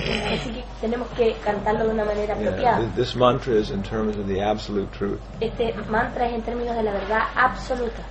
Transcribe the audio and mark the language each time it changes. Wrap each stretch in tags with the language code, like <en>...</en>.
<es>Así que tenemos que cantarlo de una manera apropiada.</es> <en>Yeah, this mantra is in terms of the absolute truth.</en> <es>Este mantra es en términos de la verdad absoluta.</es>